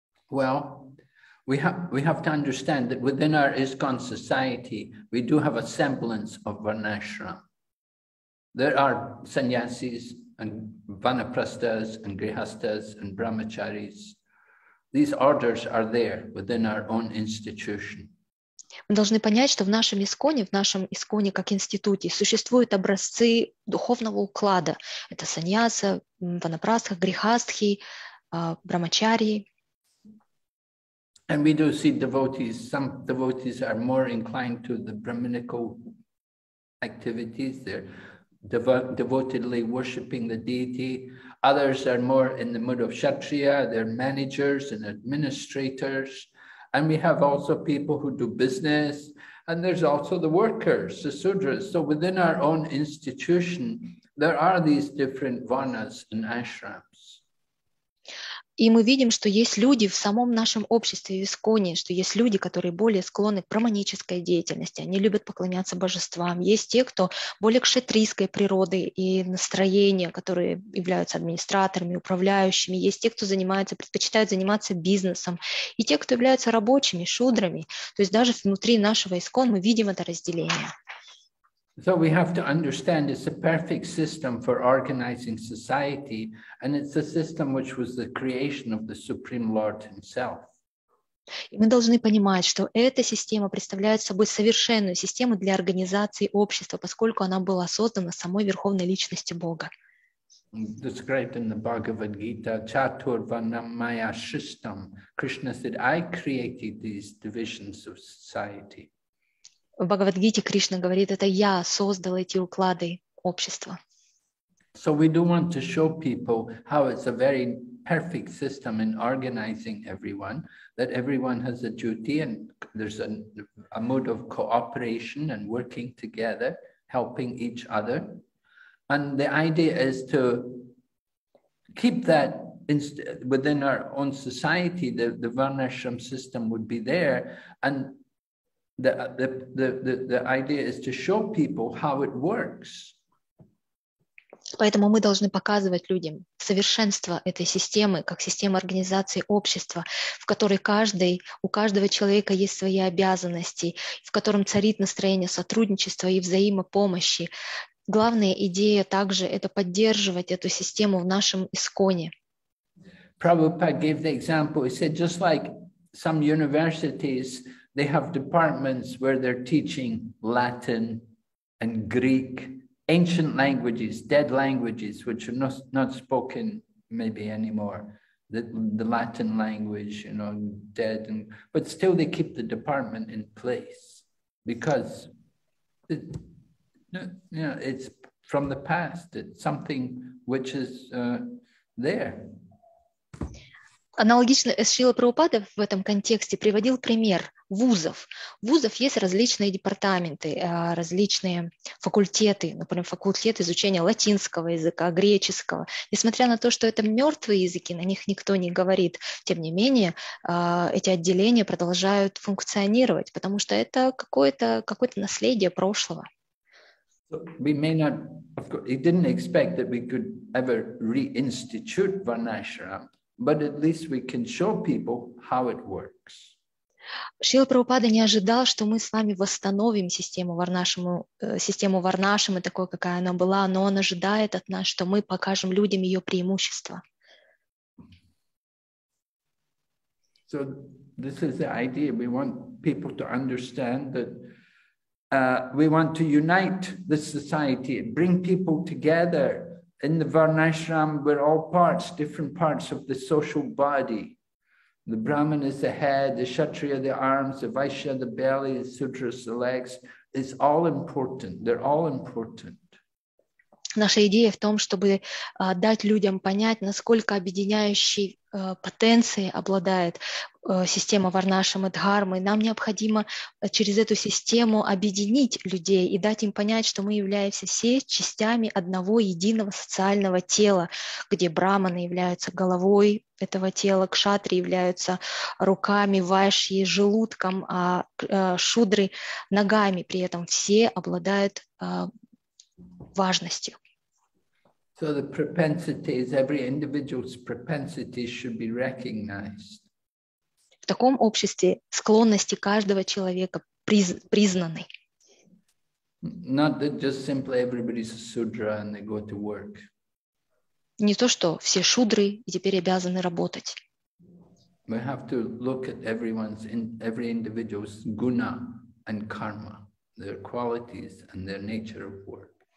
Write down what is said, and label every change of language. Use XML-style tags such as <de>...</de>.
<en>Well, we have to understand that within our ISKCON society, we do have a semblance of Varnashram. There are sannyasis and vanaprastas and grihastas and brahmacharis. These orders are there within our own institution.</en> <ru>Мы должны понять, что в нашем исконе как институте существуют образцы духовного уклада. Это саньяса, ванапрастха, грихастхи, брамачари.</ru> <en>And we do see devotees, some devotees are more inclined to the brahminical activities, they're devotedly worshipping the deity. Others are more in the mood of kshatriya, they're managers and administrators. And we have also people who do business, and there's also the workers, the sudras. So within our own institution, there are these different varnas and ashrams.</en> <ru>И мы видим, что есть люди в самом нашем обществе, в Исконе, что есть люди, которые более склонны к брахманической деятельности, они любят поклоняться божествам. Есть те, кто более кшатрийской природы и настроения, которые являются администраторами, управляющими. Есть те, кто предпочитают заниматься бизнесом. И те, кто являются рабочими, шудрами. То есть даже внутри нашего Искона мы видим это разделение.</ru> <en>So we have to understand it's a perfect system for organizing society, and it's a system which was the creation of the Supreme Lord Himself.</en> <ru>Мы должны понимать, что эта система представляет собой совершенную систему для организации общества, поскольку она была создана самой Верховной Личностью Бога.</ru> <en>Described in the Bhagavad Gita,</en> <sa>Chatur Vanamaya Shistam,</sa> <en>Krishna said, I created these divisions of society.</en> <ru>В Бхагавад-гите Кришна говорит, это я создал эти уклады общества.</ru> <en>So we do want to show people how it's a very perfect system in organizing everyone, that everyone has a duty and there's a mood of cooperation and working together, helping each other. And the idea is to keep that within our own society, the Varnashram system would be there, and The idea is to show people how it works.</en> <ru>Поэтому мы должны показывать людям совершенство этой системы, как система организации общества, в которой у каждого человека есть свои обязанности, в котором царит настроение сотрудничества и взаимопомощи. Главная идея также – это поддерживать эту систему в нашем исконе.</ru> <en>Prabhupada gave the example. He said, just like some universities, they have departments where they're teaching Latin and Greek, ancient languages, dead languages, which are not spoken maybe anymore. The Latin language, you know, dead. But still they keep the department in place because it's from the past. It's something which is there.</en> <ru>Аналогично Шрила Прабхупада в этом контексте приводил пример вузов. В вузах есть различные департаменты, различные факультеты, например, факультет изучения латинского языка, греческого. Несмотря на то, что это мертвые языки, на них никто не говорит, тем не менее, эти отделения продолжают функционировать, потому что это какое-то наследие прошлого.</ru> <en>We may not, of course, he didn't expect that we could ever reinstitute Varnashram, but at least we can show people how it works.</en> <ru>Шрила Прабхупада не ожидал, что мы с вами восстановим систему Варнашрамы такой, какая она была, но он ожидает от нас, что мы покажем людям ее преимущества.</ru> <en>So this is the idea. We want people to understand that we want to unite the society, bring people together. In the Varnashram, we're all parts, different parts of the social body. The Brahmin is the head, the Kshatriya the arms, the Vaishya the belly, the Sudras the legs. It's all important. They're all important.</en> <ru>Наша идея в том, чтобы дать людям понять, насколько объединяющей потенцией обладает система Варнашрама Дхармы. Нам необходимо через эту систему объединить людей и дать им понять, что мы являемся все частями одного единого социального тела, где брахманы являются головой этого тела, кшатри являются руками, вайшьи – желудком, а шудры – ногами. При этом все обладают важностью.</ru> <en>So the propensities, every individual's propensity should be recognized.</en> <ru>В таком обществе склонности каждого человека признаны.</ru> <en>Not that just simply everybody's a sudra and they go to work.</en> <ru>Не то, что все шудры и теперь обязаны работать.</ru> <en>We have to look at every individual's guna and karma, their qualities and their nature of work.</en>